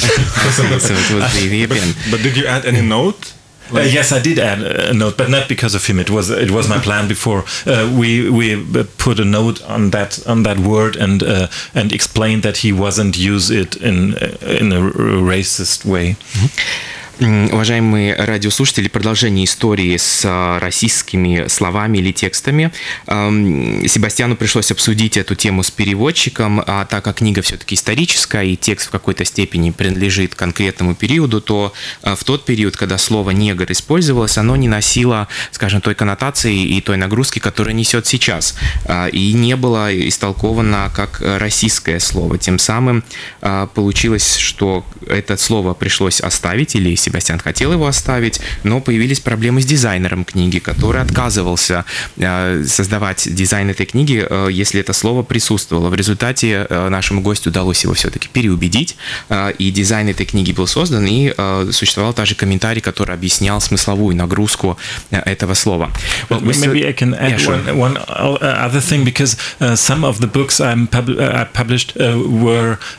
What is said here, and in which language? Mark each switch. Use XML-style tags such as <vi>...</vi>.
<en>So it was the opinion. But did you add any note? Yes, I did add a note, but not because of him. It was my plan before. We put a note on that word and explained that he wasn't use it in a racist way.</en> <ru>Уважаемые радиослушатели, продолжение истории с российскими словами или текстами. Себастьяну пришлось обсудить эту тему с переводчиком, а так как книга все-таки историческая и текст в какой-то степени принадлежит конкретному периоду, то в тот период, когда слово «негр» использовалось, оно не носило, скажем, той коннотации и той нагрузки, которую несет сейчас, и не было истолковано как российское слово. Тем самым получилось, что это слово пришлось оставить или Себастьян хотел его оставить, но появились проблемы с дизайнером книги, который отказывался создавать дизайн этой книги, если это слово присутствовало. В результате нашему гостю удалось его все-таки переубедить, и дизайн этой книги был создан, и существовал также комментарий, который объяснял смысловую нагрузку этого слова.</ru> <en>Maybe I can add one other thing, because some of the books I published were</en>